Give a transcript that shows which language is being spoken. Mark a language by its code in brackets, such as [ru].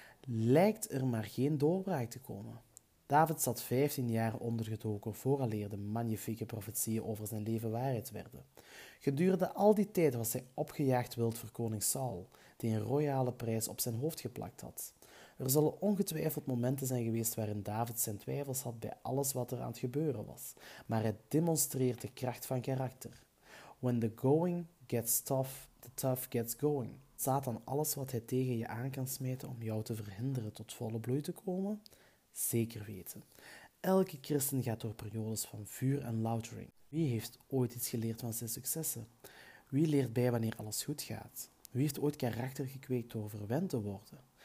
[nl] Lijkt er maar geen doorbraak te komen. David zat 15 jaar ondergedoken vooraleer de magnifieke profetieën over zijn leven waarheid werden. Gedurende al die tijd was hij opgejaagd wild voor koning Saul, die een royale prijs op zijn hoofd geplakt had. Er zullen ongetwijfeld momenten zijn geweest waarin David zijn twijfels had bij alles wat er aan het gebeuren was, maar hij demonstreert de kracht van karakter. [en] When the going gets tough, the tough gets going. [nl] Satan, alles wat hij tegen je aan kan smijten om jou te verhinderen tot volle bloei te komen? Zeker weten. Elke christen gaat door periodes van vuur en loutering. Wie heeft ooit iets geleerd van zijn successen? Wie leert bij wanneer alles goed gaat? Wie heeft ooit karakter gekweekt door verwend te worden?